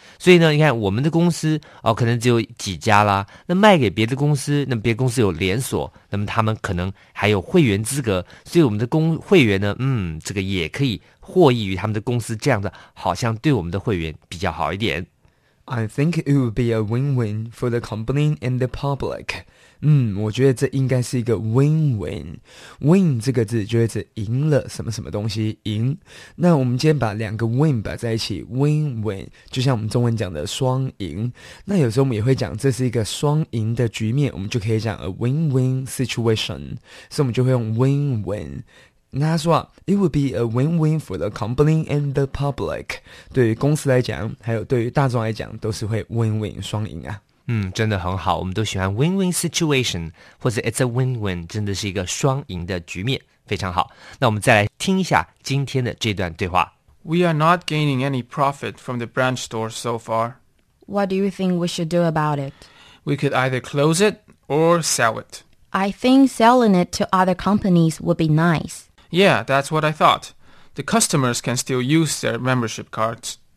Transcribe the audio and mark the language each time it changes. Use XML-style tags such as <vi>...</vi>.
<zh>所以呢，你看我们的公司哦，可能只有几家啦，那卖给别的公司，那别的公司有连锁，那么他们可能还有会员资格，所以我们的会员呢，这个也可以获益于他们的公司，这样的好像对我们的会员比较好一点。</zh> <en>I think it would be a win-win for the company and the public.</en> <zh>我觉得这应该是一个 win-win. Win 这个字就是赢了什么什么东西，赢。那我们今天把两个 win 摆在一起， win-win, 就像我们中文讲的双赢。那有时候我们也会讲这是一个双赢的局面，我们就可以讲</zh> <en>a win-win situation.</en> <zh>所以我们就会用 win-win。那他说啊</zh> <en>It would be a win-win for the company and the public.</en> <zh>对于公司来讲还有对于大众来讲都是会 win-win 双赢啊。真的很好，我们都喜欢</zh> <en>win-win situation,</en> <zh>或者</zh> <en>it's a win-win,</en> <zh>真的是一个双赢的局面，非常好。那我们再来听一下今天的这段对话。</zh> <en>We are not gaining any profit from the branch store so far. What do you think we should do about it? We could either close it or sell it. I think selling it to other companies would be nice. Yeah, that's what I thought. The customers can still use their membership cards.</en>